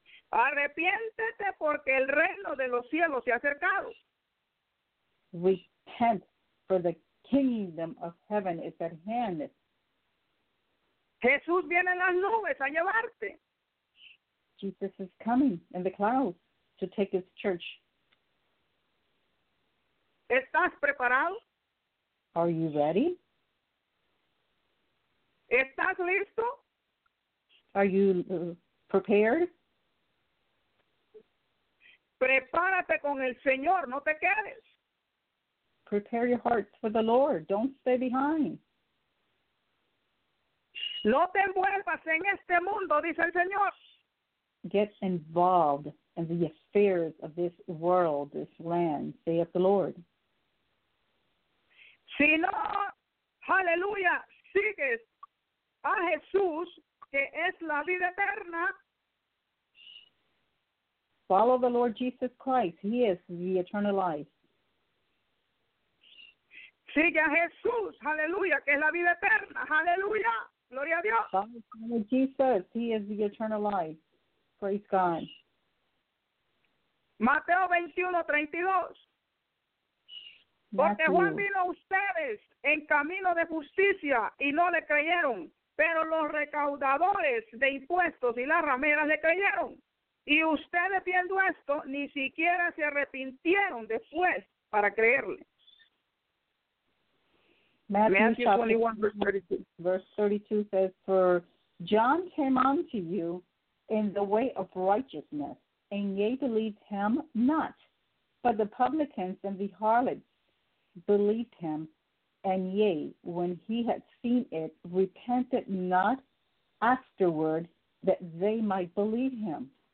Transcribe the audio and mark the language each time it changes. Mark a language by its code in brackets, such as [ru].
[es] Arrepiéntete porque el reino de los cielos se ha acercado. [en] Repent, for the kingdom of heaven is at hand. [es] Jesús viene en las nubes a llevarte. [en] Jesus is coming in the clouds to take his church. [es] ¿Estás preparado? [en] Are you ready? [es] ¿Estás listo? [en] Are you prepared? [es] Prepárate con el Señor, no te quedes. [en] Prepare your hearts for the Lord. Don't stay behind. [es] No te envuelvas en este mundo, dice el Señor. [en] Get involved in the affairs of this world, this land, saith the Lord. [es] Si no, aleluya, sigues a Jesús, que es la vida eterna. [en] Follow the Lord Jesus Christ. He is the eternal life. [es] Sigue a Jesús, aleluya, que es la vida eterna. Aleluya, gloria a Dios. [en] Follow Jesus. He is the eternal life. Praise God. [es] Mateo 21:32. Porque Juan vino a ustedes en camino de justicia y no le creyeron, pero los recaudadores de impuestos y las rameras le creyeron. Y ustedes viendo esto, ni siquiera se arrepintieron después para creerle. [en] Matthew 21:32 says, for John came unto you in the way of righteousness, and ye believed him not, but the publicans and the harlots believed him, and ye, when he had seen it, repented not afterward that they might believe him.